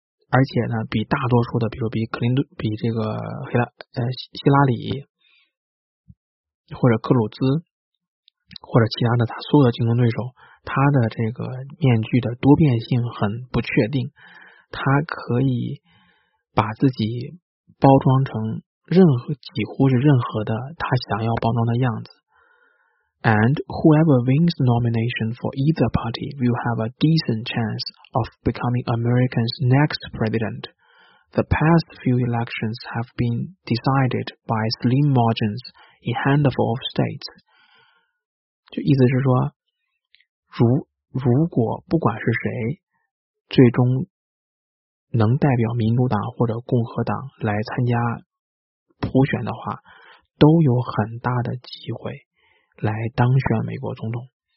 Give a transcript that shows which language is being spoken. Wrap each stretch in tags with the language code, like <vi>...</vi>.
<zh>而且呢比大多数的比如比克林顿比这个希拉里或者克鲁兹或者其他的他所有的竞争对手，他的这个面具的多变性很不确定，他可以把自己包装成任何几乎是任何的他想要包装的样子。</zh> <en>And whoever wins the nomination for either party will have a decent chance of becoming America's next president. The past few elections have been decided by slim margins in handful of states.</en> <zh>就意思是说，如果不管是谁，最终能代表民主党或者共和党来参加普选的话，都有很大的机会来当选美国总统。</zh>